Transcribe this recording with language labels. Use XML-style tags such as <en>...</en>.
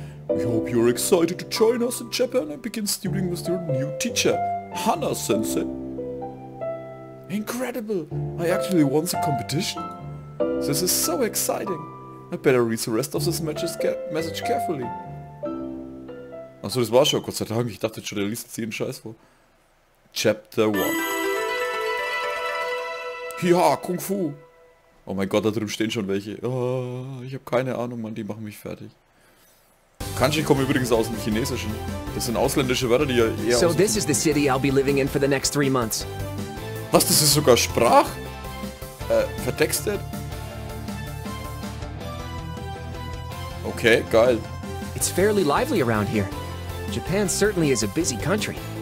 <en>We hope you're excited to join us in Japan and begin studying with your new teacher, Hana Sensei. Incredible! I actually won the competition? This is so exciting! I better read the rest of this message carefully.</en> <de>Achso, das war schon, Gott sei Dank. Ich dachte schon, der liest jetzt jeden Scheiß vor. Chapter 1. Hiha, Kung Fu! Oh mein Gott, da drüben stehen schon welche. Oh, ich habe keine Ahnung, Mann, die machen mich fertig. Kanji kommen übrigens aus dem Chinesischen. Das sind ausländische Wörter, die ja eher</de> <en>so, this is the city I'll be living in for the next 3 months.</en> <de>Was, das ist sogar Sprach? Vertextet? Okay, geil.</de> <en>It's fairly lively around here. Japan certainly is a busy country.</en>